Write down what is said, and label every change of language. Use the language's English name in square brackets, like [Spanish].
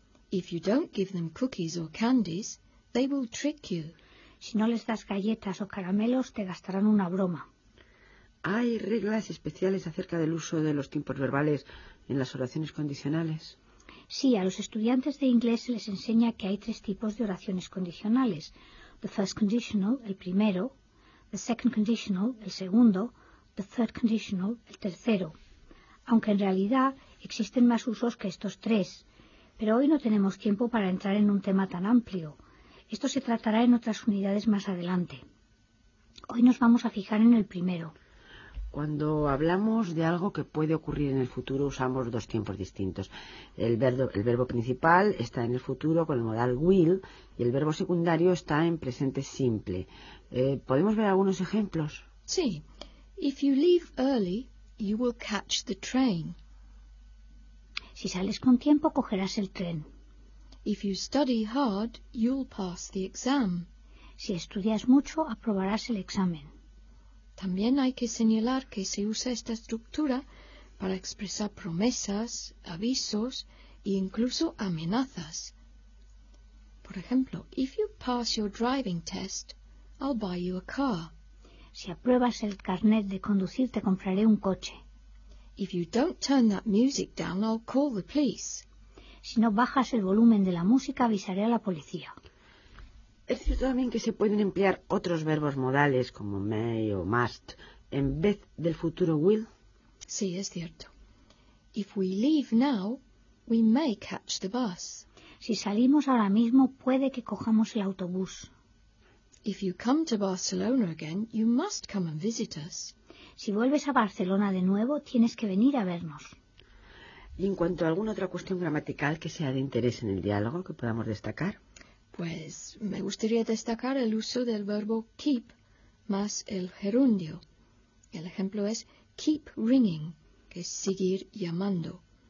[English] If you don't give them cookies or candies, they will trick you. [Spanish] Si no les das galletas o caramelos, te gastarán una broma. ¿Hay reglas especiales acerca del uso de los tiempos verbales en las oraciones condicionales? Sí, a los estudiantes de inglés se les enseña que hay tres tipos de oraciones condicionales. [English] The first conditional, [Spanish] el primero. [English] The second conditional, [Spanish] el segundo. [English] The third conditional, [Spanish] el tercero. Aunque en realidad existen más usos que estos tres. Pero hoy no tenemos tiempo para entrar en un tema tan amplio. Esto se tratará en otras unidades más adelante. Hoy nos vamos a fijar en el primero. Cuando hablamos de algo que puede ocurrir en el futuro, usamos dos tiempos distintos. El verbo principal está en el futuro con el modal will y el verbo secundario está en presente simple. ¿Podemos ver algunos ejemplos? Sí. [English] If you leave early, you will catch the train. [Spanish] Si sales con tiempo, cogerás el tren. [English] If you study hard, you'll pass the exam. [Spanish] Si estudias mucho, aprobarás el examen. También hay que señalar que se usa esta estructura para expresar promesas, avisos e incluso amenazas. Por ejemplo, [English] if you pass your driving test, I'll buy you a car. [Spanish] Si apruebas el carnet de conducir, te compraré un coche. [English] If you don't turn that music down, I'll call the police. [Spanish] Si no bajas el volumen de la música, avisaré a la policía. Es cierto también que se pueden emplear otros verbos modales, como may o must, en vez del futuro will. Sí, es cierto. [English] If we leave now, we may catch the bus. [Spanish] Si salimos ahora mismo, puede que cojamos el autobús. [English] If you come to Barcelona again, you must come and visit us. [Spanish] Si vuelves a Barcelona de nuevo, tienes que venir a vernos. ¿Y en cuanto a alguna otra cuestión gramatical que sea de interés en el diálogo que podamos destacar? Pues me gustaría destacar el uso del verbo keep más el gerundio. El ejemplo es keep ringing, que es seguir llamando.